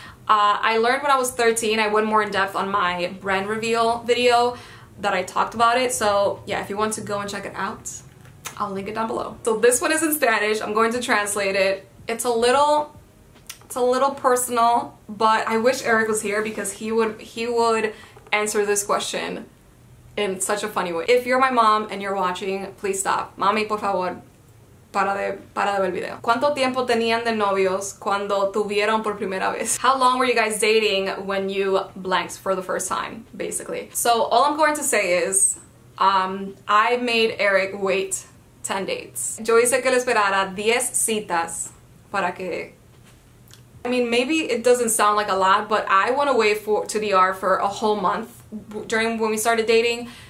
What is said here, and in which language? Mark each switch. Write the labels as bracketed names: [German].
[English] I learned when I was 13, I went more in depth on my brand reveal video that I talked about it. So yeah, if you want to go and check it out, I'll link it down below. So this one is in Spanish. I'm going to translate it. It's a little personal, but I wish Eric was here because he would answer this question in such a funny way. If you're my mom and you're watching, please stop. [Spanish] Mami, por favor, para de ver el video. ¿Cuánto tiempo tenían de novios cuando tuvieron por primera vez? [English] How long were you guys dating when you blanked for the first time, basically? So all I'm going to say is, I made Eric wait 10 dates. [Spanish] Yo hice que le esperara 10 citas para que... [English] I mean, maybe it doesn't sound like a lot, but I went away to DR for a whole month during when we started dating.